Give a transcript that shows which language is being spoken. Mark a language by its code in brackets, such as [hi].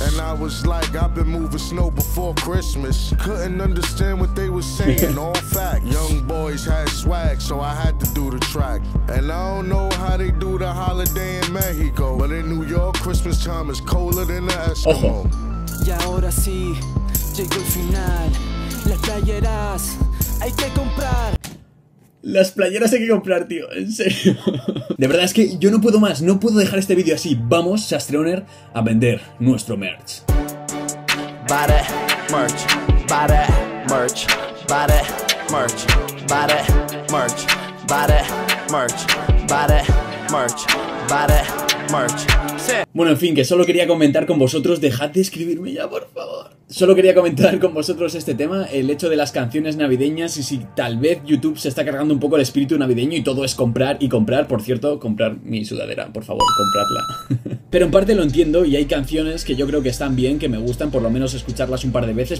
[en] And I was like, I've been moving snow before Christmas. Couldn't understand what they were saying, all facts. Young boys had swag, so I had to do the track. And I don't know how they do the holiday in Mexico, but in New York, Christmas time is colder than the Eskimo. [es] Y ahora sí, llegó el final. Las playeras hay que comprar. Las playeras hay que comprar, tío, en serio. De verdad es que yo no puedo más, no puedo dejar este vídeo así. Vamos, Sastre Honor, a vender nuestro merch. [en] Bare merch, bare merch, bare merch, bare merch, bare merch, bare merch, bare merch. [es] Bueno, en fin, que solo quería comentar con vosotros, dejad de escribirme ya, por favor. Solo quería comentar con vosotros este tema, el hecho de las canciones navideñas, y si tal vez YouTube se está cargando un poco el espíritu navideño y todo es comprar y comprar. Por cierto, comprar mi sudadera, por favor, compradla. Pero en parte lo entiendo, y hay canciones que yo creo que están bien, que me gustan, por lo menos escucharlas un par de veces.